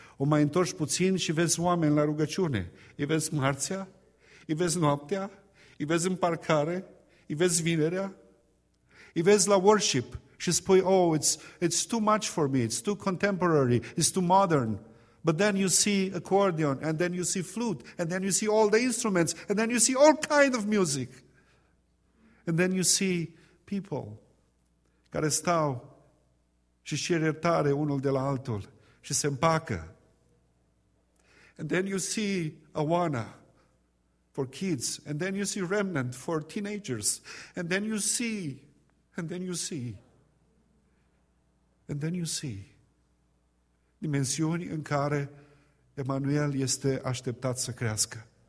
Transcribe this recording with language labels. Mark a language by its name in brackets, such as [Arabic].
[Romanian] O mai întorci puțin și vezi oameni la rugăciune. Îi vezi marțea, îi vezi noaptea, îi vezi în parcare, îi vezi vinerea, îi vezi la worship și spui, [English] oh, it's too much for me, it's too contemporary, it's too modern. But then you see accordion, and then you see flute, and then you see all the instruments, and then you see all kind of music. And then you see people [Romanian] care stau și își iertare unul de la altul și se împacă. [English] And then you see Awana for kids, and then you see Remnant for teenagers, and then you see, and then you see, and then you see [Romanian] dimensiuni în care Emanuel este așteptat să crească.